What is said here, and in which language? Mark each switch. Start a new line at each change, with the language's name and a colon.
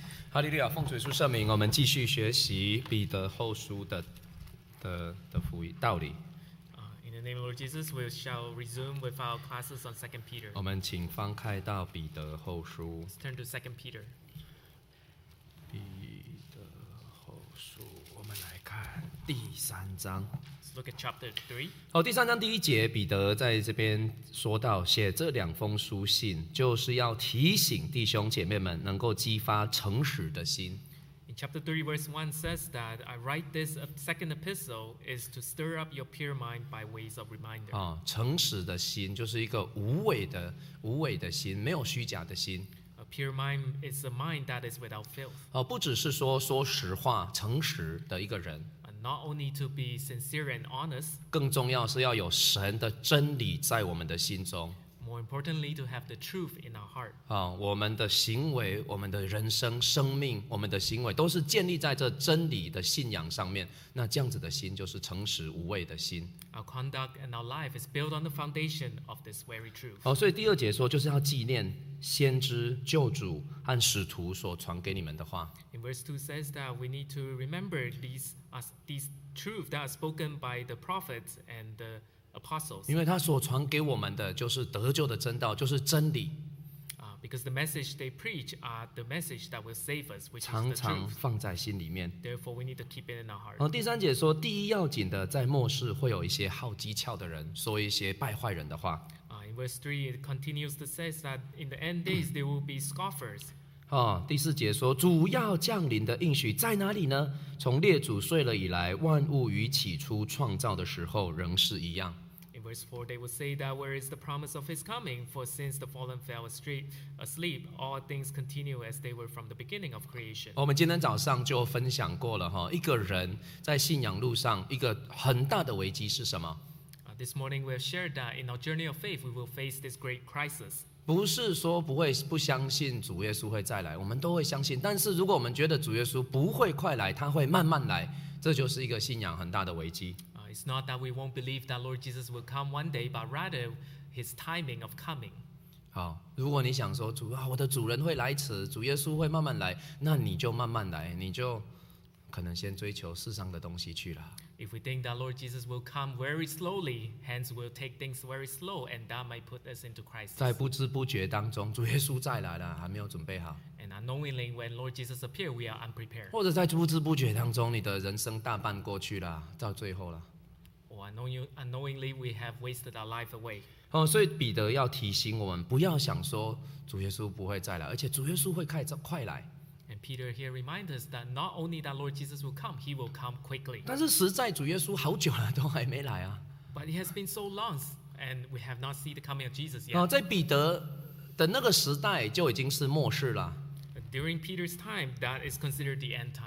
Chinese: 哈利路亚，奉主耶稣圣名，我们继续学习彼得后书的福音道理。
English: In the name of Lord Jesus, we shall resume with our classes on 2 Peter.
Chinese: 我们请翻开到彼得后书。
English: Let's turn to 2 Peter.
Chinese: 彼得后书，我们来看第三章。
English: Let's look at chapter 3.
Chinese: 第三章第一节，彼得在这边说到，写这两封书信，就是要提醒弟兄姐妹们，能够激发诚实的心。
English: Chapter 3 verse 1 says that I write this second epistle is to stir up your pure mind by ways of reminder.
Chinese: 诚实的心就是一个无伪的心，没有虚假的心。
English: A pure mind is a mind that is without filth.
Chinese: 不只是说实话，诚实的一个人。
English: Not only to be sincere and honest.
Chinese: 更重要是要有神的真理在我们的心中。
English: More importantly, to have the truth in our heart.
Chinese: 我们的行为，我们的人生、生命，我们的行为都是建立在这真理的信仰上面。那这样子的心就是诚实无畏的心。
English: Our conduct and our life is built on the foundation of this very truth.
Chinese: 所以第二节说就是要纪念先知、救主和使徒所传给你们的话。
English: In verse 2 says that we need to remember these truths that are spoken by the prophets and the Apostles.
Chinese: 因为他所传给我们的就是得救的真道，就是真理。
English: Because the message they preach are the message that will save us, which is the truth.
Chinese: 常常放在心里面。
English: Therefore, we need to keep it in our heart.
Chinese: 第三节说，第一要紧的，在末世会有一些好讥诮的人，说一些败坏人的话。
English: In verse 3, it continues to say that in the end days there will be scoffers.
Chinese: 第四节说，主要降临的应许在哪里呢？从列祖睡了以来，万物与起初创造的时候仍是一样。
English: Verse 4, they will say that where is the promise of his coming? For since the fallen fell asleep, all things continue as they were from the beginning of creation.
Chinese: 我们今天早上就分享过了，一个人在信仰路上一个很大的危机是什么？
English: This morning we have shared that in our journey of faith, we will face this great crisis.
Chinese: 不是说不相信主耶稣会再来，我们都会相信，但是如果我们觉得主耶稣不会快来，他会慢慢来，这就是一个信仰很大的危机。
English: It's not that we won't believe that Lord Jesus will come one day, but rather his timing of coming.
Chinese: 好，如果你想说主啊，我的主人会来迟，主耶稣会慢慢来，那你就慢慢来，你就可能先追求世上的东西去了。
English: If we think that Lord Jesus will come very slowly, hence we'll take things very slow, and that might put us into crisis.
Chinese: 在不知不觉当中，主耶稣再来了，还没有准备好。
English: And unknowingly, when Lord Jesus appears, we are unprepared.
Chinese: 或者在不知不觉当中，你的人生大半过去了，到最后了。
English: Unknowingly, we have wasted our life away.
Chinese: 所以彼得要提醒我们，不要想说主耶稣不会再来，而且主耶稣会快来。
English: And Peter here reminds us that not only that Lord Jesus will come, he will come quickly.
Chinese: 但是实在主耶稣好久了都还没来啊。
English: But it has been so long, and we have not seen the coming of Jesus yet.
Chinese: 在彼得的那个时代就已经是末世了。
English: During Peter's time, that is considered the end time.